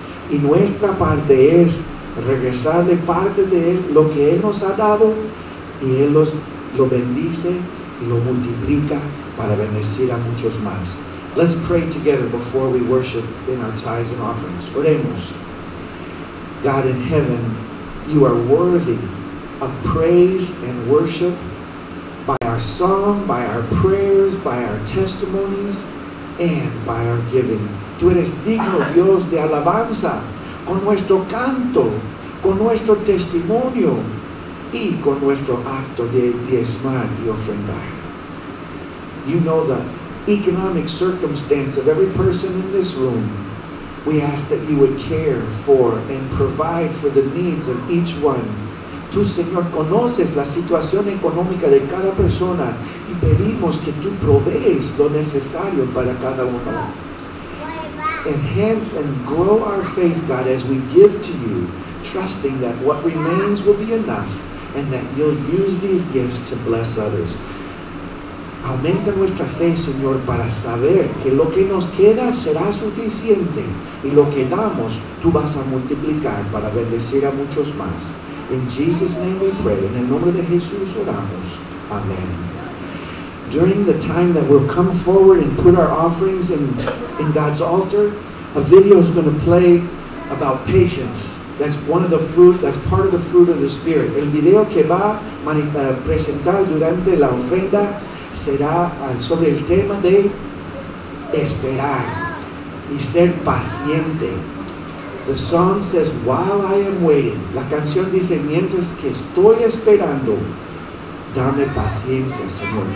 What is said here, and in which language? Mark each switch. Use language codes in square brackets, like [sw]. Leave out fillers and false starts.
[es] Y nuestra parte es regresarle parte de Él, lo que Él nos ha dado, y Él lo bendice y lo multiplica para bendecir a muchos más. [en] Let's pray together before we worship in our tithes and offerings. [es] Oremos. [en] God in heaven, You are worthy of praise and worship by our song, by our prayers, by our testimonies, and by our giving. [es] Tú eres digno, Dios, de alabanza, con nuestro canto, con nuestro testimonio, y con nuestro acto de diezmar y ofrendar. [en] You know the economic circumstance of every person in this room. We ask that You would care for and provide for the needs of each one. [es] Tú, Señor, conoces la situación económica de cada persona y pedimos que Tú provees lo necesario para cada uno. [en] Enhance and grow our faith, God, as we give to You, trusting that what remains will be enough and that You'll use these gifts to bless others. [es] Aumenta nuestra fe, Señor, para saber que lo que nos queda será suficiente y lo que damos Tú vas a multiplicar para bendecir a muchos más. [en] In Jesus' name we pray. In the [es] nombre de Jesús oramos. [en] Amen. During the time that we'll come forward and put our offerings in God's altar, a video is going to play about patience. That's part of the fruit of the Spirit. [es] El video que va a presentar durante la ofrenda será sobre el tema de esperar y ser paciente. [en] The song says, while I am waiting. [es] La canción dice, mientras que estoy esperando, dame paciencia, Señor.